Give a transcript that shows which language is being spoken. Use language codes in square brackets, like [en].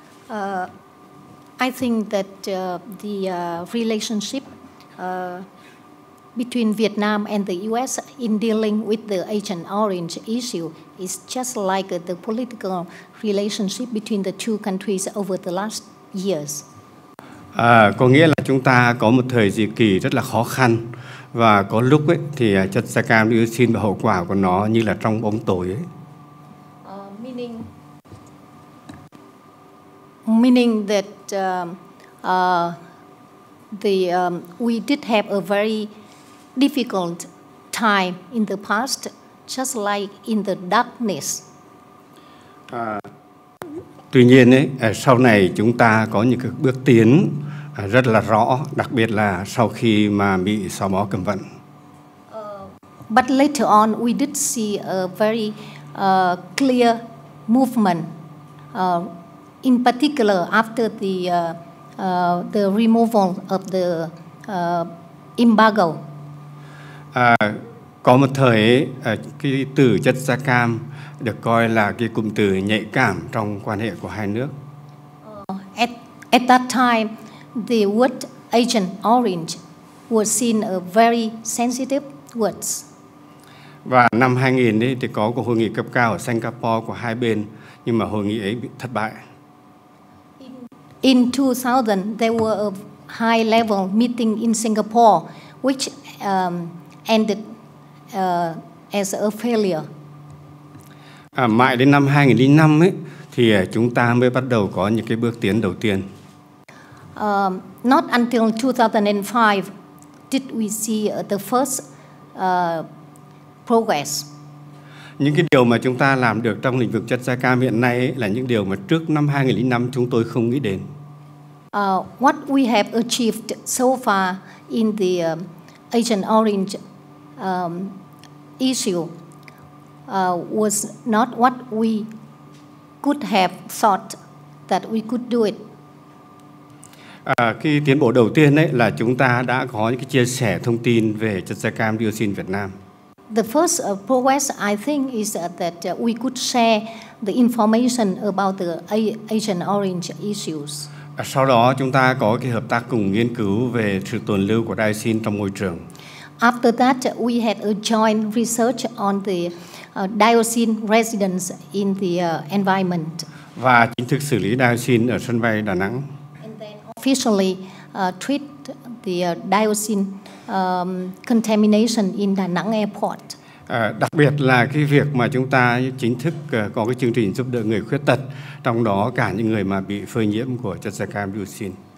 [en] I think that the relationship between Vietnam and the U.S. in dealing with the Agent Orange issue is just like the political relationship between the two countries over the last years. [vi] Có nghĩa là chúng ta có một thời gian kỳ rất là khó khăn và có lúc ấy thì chất da cam dioxin và hậu quả của nó như là trong bóng tối ấy. [en] Meaning that we did have a very difficult time in the past, just like in the darkness. [vi] Tuy nhiên ấy, sau này chúng ta có những cái bước tiến rất là rõ, đặc biệt là sau khi mà Mỹ xóa bỏ cấm vận. [en] But later on, we did see a very clear movement, in particular after the removal of the embargo. [vi] Có một thời cái từ chất da cam được coi là cái cụm từ nhạy cảm trong quan hệ của hai nước. [en] At that time, the word Agent Orange was seen a very sensitive words. [vi] Và năm 2000 ấy, thì có cuộc hội nghị cấp cao ở Singapore của hai bên, nhưng mà hội nghị ấy bị thất bại. [en] In 2000, there were a high-level meeting in Singapore, which ended as a failure. [vi] Mãi đến năm 2005 ấy, thì chúng ta mới bắt đầu có những cái bước tiến đầu tiên. [en] Not until 2005 did we see the first progress. [vi] Những cái điều mà chúng ta làm được trong lĩnh vực chất da cam hiện nay ấy, là những điều mà trước năm 2005 chúng tôi không nghĩ đến. [en] What we have achieved so far in the Agent Orange issue was not what we could have thought that we could do it. [vi] Cái tiến bộ đầu tiên ấy là chúng ta đã có những cái chia sẻ thông tin về chất da cam dioxin Việt Nam. [en] The first progress I think is that we could share the information about the Agent Orange issues. [vi] Sau đó chúng ta có cái hợp tác cùng nghiên cứu về sự tồn lưu của dioxin trong môi trường. [en] After that we had a joint research on the dioxin residence in the environment. [vi] Và chính thức xử lý dioxin ở sân bay Đà Nẵng. [en] And then officially treat the dioxin contamination in Đà Nẵng airport. [vi] Đặc biệt là cái việc mà chúng ta chính thức có cái chương trình giúp đỡ người khuyết tật, trong đó cả những người mà bị phơi nhiễm của chất da cam dioxin.